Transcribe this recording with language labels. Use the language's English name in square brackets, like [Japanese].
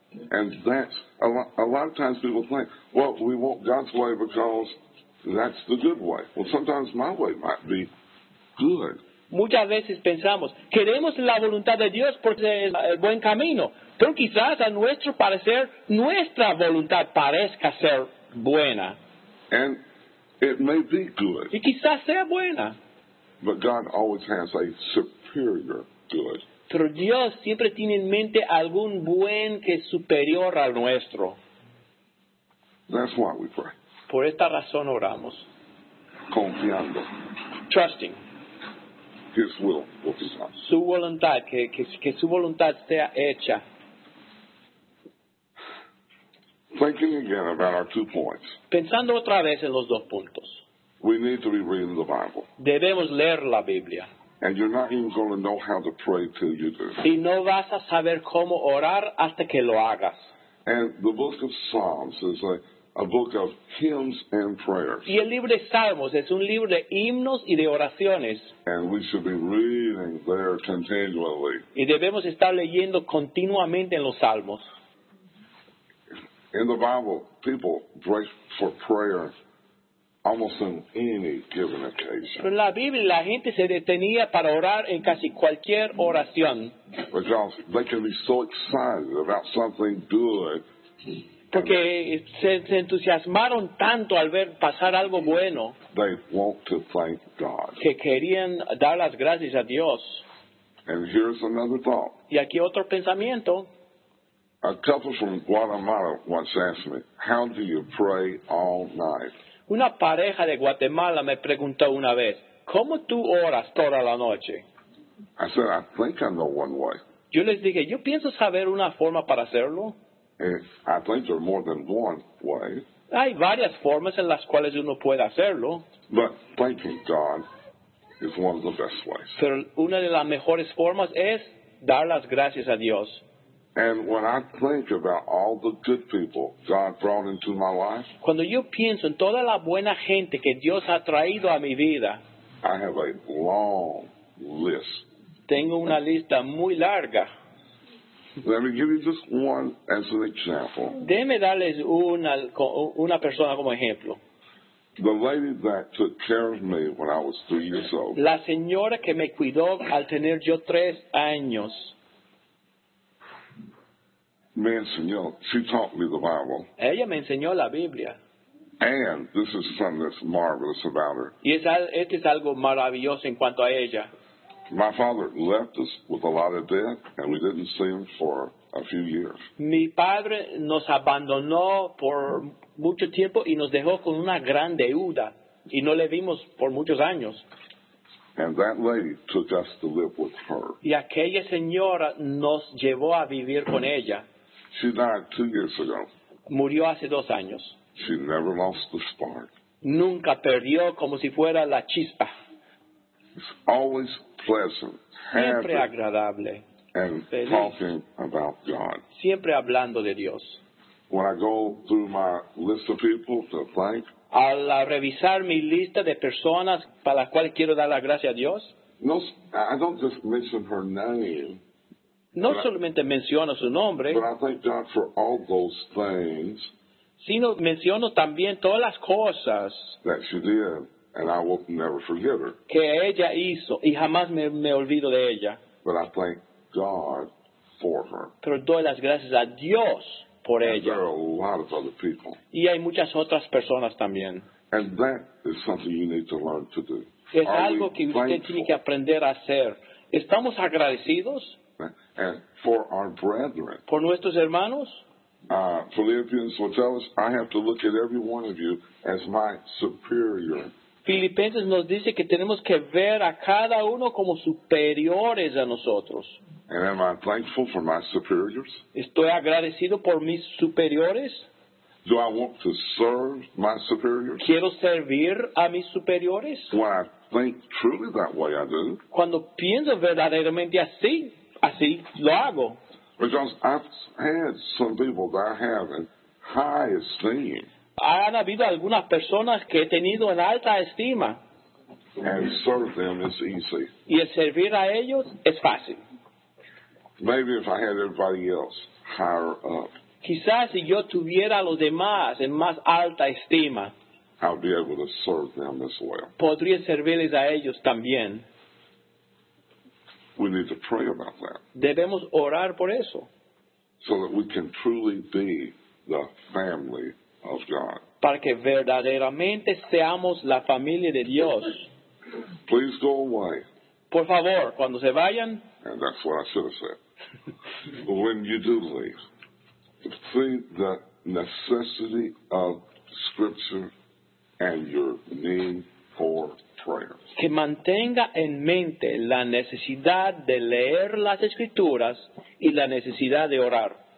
[English] And that's a lot of times people think, well, we want God's way because that's the good way. Well, sometimes my way might be good. [Spanish] Muchas veces pensamos, queremos la voluntad de Dios porque es el buen camino. Pero quizás a nuestro parecer, nuestra voluntad parezca ser buena. [English] And it may be good. [Spanish] Y quizás sea buena. [English] But God always has a superior good. [Spanish] Pero Dios siempre tiene en mente algún buen que es superior al nuestro. [English] That's why we pray. [Spanish] Por esta razón oramos. Confiando. [English] Trusting. His will be done. [Spanish] Su voluntad, que su voluntad sea hecha. [English] Thinking again about our 2 points. [Spanish] Pensando otra vez en los 2 puntos. [English] We need to be reading the Bible. [Spanish] Debemos leer la Biblia. [English] And you're not even going to know how to pray till you do. [Spanish] Y no vas a saber cómo orar hasta que lo hagas. [English] And the book of Psalms is a book of hymns and prayers. [Spanish] Y el libro de Salmos es un libro de himnos y de oraciones. [English] And we should be reading there continually. [Spanish] Y debemos estar leyendo continuamente en los Salmos. [English] In the Bible, people pray for prayer almost on any given occasion. [Spanish] Pero en la Biblia, la gente se detenía para orar en casi cualquier oración. [English] Because they can be so excited about something good. [Spanish] Porque se entusiasmaron tanto al ver pasar algo bueno. [English] They want to thank God. [Spanish] Que querían dar las gracias a Dios. [English] And here's another thought. [Spanish] Y aquí otro pensamiento. [English] A couple from Guatemala once asked me, how do you pray all night? [Spanish] Una pareja de Guatemala me preguntó una vez, ¿cómo tú oras toda la noche? [English] I said, I think I know one way. [Spanish] Yo les dije, yo pienso saber una forma para hacerlo. [English] I think there are more than one way. [Spanish] Hay varias formas en las cuales uno puede hacerlo. [English] But thanking God is one of the best ways. [Spanish] Pero una de las mejores formas es dar las gracias a Dios. [English] And when I think about all the good people God brought into my life, [Spanish] cuando yo pienso en toda la buena gente que Dios ha traído a mi vida, [English] I have a long list. [Spanish] Tengo una lista muy larga. [English] Let me give you just one as an example. [Spanish] Déme darles una persona como ejemplo. [English] The lady that took care of me when I was 3 years old. [Spanish] La señora que me cuidó al tener yo 3 años. [English] She taught me the Bible. [Spanish] Ella me enseñó la Biblia. [English] And this is something that's marvelous about her. [Spanish] Y este es algo maravilloso en cuanto a ella. [English] My father left us with a lot of debt, and we didn't see him for a few years. [Spanish] Mi padre nos abandonó por mucho tiempo y nos dejó con una gran deuda, y no le vimos por muchos años. [English] And that lady took us to live with her. [Spanish] Y aquella señora nos llevó a vivir con ella. [English] She died 2 years ago. [Spanish] Murió hace 2 años. [English] She never lost the spark. [Spanish] Nunca perdió como si fuera la chispa. [English] It's always pleasant, [Spanish] siempre agradable, [English] and [Spanish] feliz. [English] Talking about God. [Spanish] Siempre hablando de Dios. [English] When I go through my list of people to thank, [Spanish] al revisar mi lista de personas para las cuales quiero dar la gracia a Dios, [English] no, I don't just mention her name. [Spanish] No solamente menciono su nombre, [English] but I thank God for all those things, [Spanish] sino menciono también todas las cosas [English] that she did, and I will never forget her. [Spanish] Que ella hizo, y jamás me olvido de ella. [English] But I thank God for her. [Spanish] Pero doy las gracias a Dios por [English] and [Spanish] ella. [English] There are a lot of other people. [Spanish] Y hay muchas otras personas también. [English] And that is something you need to learn to do. [Spanish] Es [English] are [Spanish] algo que [English] thankful? [Spanish] Usted tiene que aprender a hacer. ¿Estamos agradecidos? [English] And for our brethren. [Spanish] Por nuestros hermanos. [English] Philippians will tell us, I have to look at every one of you as my superior. [Spanish] Filipenses nos dice que tenemos que ver a cada uno como superiores a nosotros. [English] And am I thankful for my superiors? [Spanish] ¿Estoy agradecido por mis superiores? [English] Do I want to serve my superiors? [Spanish] ¿Quiero servir a mis superiores? [English] When I think truly that way, I do. [Spanish] Cuando pienso verdaderamente así. Así lo hago. [English] Because I've had some people that I have in high esteem. [Spanish] Han habido algunas personas que he tenido en alta estima. [English] And serve them is easy. [Spanish] Y el servir a ellos es fácil. [English] Maybe if I had everybody else higher up. [Spanish] Quizás si yo tuviera a los demás en más alta estima. [English] I'll be able to serve them as well. [Spanish] Podría servirles a ellos también. [English] We need to pray about that. [Spanish] Debemos orar por eso. [English] So that we can truly be the family of God. [Spanish] Para que verdaderamente seamos la familia de Dios. [English] Please go away. [Spanish] Por favor, cuando se vayan. [English] And that's what I should have said. When you do leave, see the necessity of Scripture and your need for prayer. [Spanish] Que mantenga en mente la necesidad de leer las Escrituras y la necesidad de orar.